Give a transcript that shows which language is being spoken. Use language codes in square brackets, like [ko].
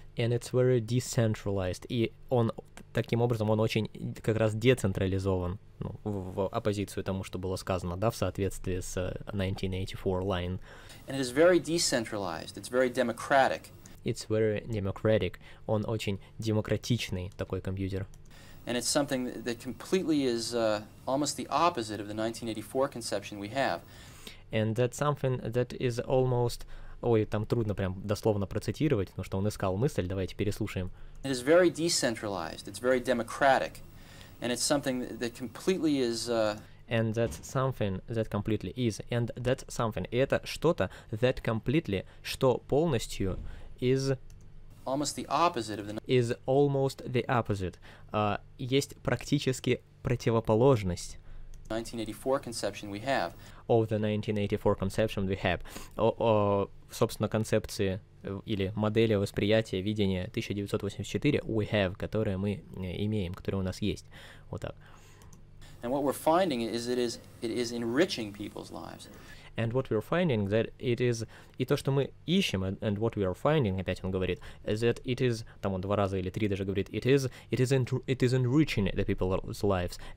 [en] And it's very decentralized, [ru] и он, таким образом, он очень как раз децентрализован, ну, в оппозицию тому, что было сказано, да, в соответствии с 1984 line. [en] And it is very decentralized, it's very democratic. It's very democratic, [ru] он очень демократичный такой компьютер. [en] And it's something that completely is almost the opposite of the 1984 conception we have. And that's something that is almost... [ru] Ой, там трудно прям дословно процитировать, потому что он искал мысль, давайте переслушаем. [en] It is very decentralized, it's very democratic. And it's something that completely is... And that's something that completely is. And that's something. [ru] И это что-то [en] that completely, [ru] что полностью is... [en] Almost the opposite of the... Is almost the opposite. [ru] Есть практически противоположность [en] 1984 conception we have. Of the 1984 conception we have. [ru] Собственно, концепции или модели восприятия, видения 1984 [en] we have, [ru] которые мы имеем, которые у нас есть. Вот так. [en] And what we're finding is it is enriching people's lives. And what we are finding that it is, [ru] и то, что мы ищем, [en] and what we are finding, [ru] опять он говорит, [en] is that it is, [ru] там он два раза или три даже говорит, [en] it is enriching the people's lives.